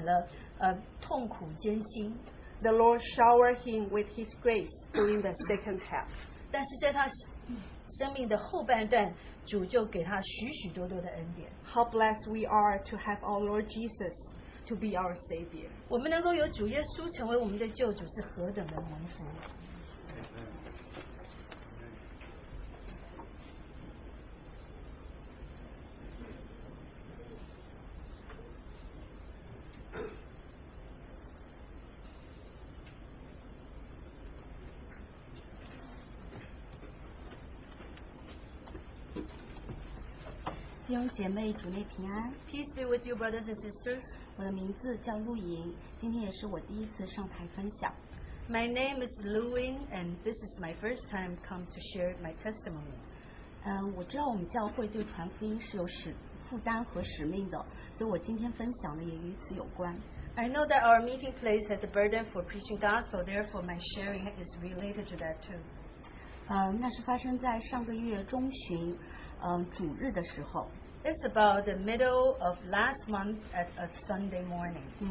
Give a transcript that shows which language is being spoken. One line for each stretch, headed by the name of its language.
Chinese: 虽然他的一生的头半段是充满了痛苦艰辛,
English: the Lord showered him with his grace during the second half.
Chinese: 但是在他生命的后半段, 主就给他许许多多的恩典。
English: How blessed we are to have our Lord Jesus to be our Savior.
Chinese: 我们能够有主耶稣成为我们的救主是何等的蒙福。弟兄姐妹，主内平安。
English: Peace be with you, brothers and sisters.
Chinese: 我的名字叫露莹，今天也是我第一次上台分享。
English: My name is Lu Ying, and this is my first time come to share my testimony.
Chinese: 我知道我们教会对传福音是有负担和使命的，所以我今天分享的也与此有关。
English: I know that our meeting place has a burden for preaching gospel, therefore my sharing is related to that too.
Chinese: 那是发生在上个月中旬，主日的时候。
English: It's about the middle of last month at a Sunday morning.